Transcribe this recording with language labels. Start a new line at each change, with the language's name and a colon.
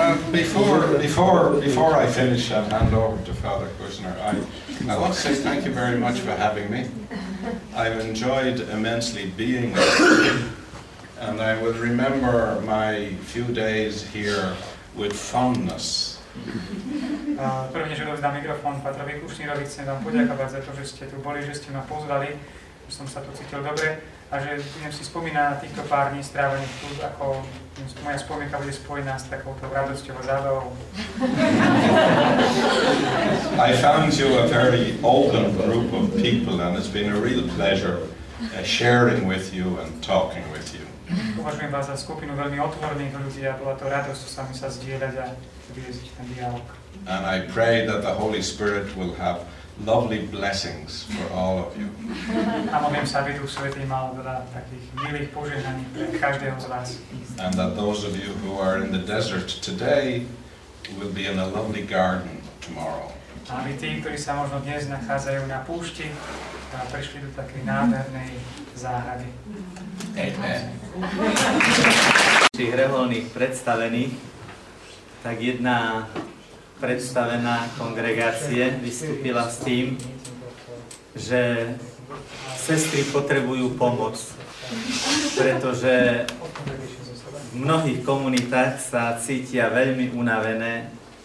English: Before I finish and hand over to Father Kushner, I want to say thank you very much for having me. I've enjoyed immensely being with you, and I will remember my few days here with fondness.
Slovak: Prvne, že dovzdám mikrofón Patrovi Kušnírovi, chcem vám poďakovať za to, že ste tu boli, že ste ma pozvali, že som sa tu cítil dobre a že budem si spomínať na týchto pár dní strávených tu, ako moja spomienka bude spojená s takouto radosťou a zábavou.
English: I found you a very open group of people and it's been a real pleasure sharing with you and talking with you.
Slovak: Považujem vás za skupinu veľmi otvorných ľudí a bola to radosť s vami sa zdieľať a viesť ten dialog.
English: And I pray that the Holy Spirit will have lovely blessings for all of you.
Slovak: A modlím sa, aby Duch Svätý mal veľa takých milých požehnaní pre každého z vás.
English: And that those of you who are in the desert today will be in a lovely garden tomorrow.
Slovak: A aby tí, ktorí sa možno dnes nachádzajú na púšti, prišli do takej nádhernej záhrady.
English: Amen.
Slovak: Tých reholných predstavených, tak jedna predstavená kongregácie vystúpila s tým, že sestry potrebujú pomoc, pretože v mnohých komunitách sa cítia veľmi unavené.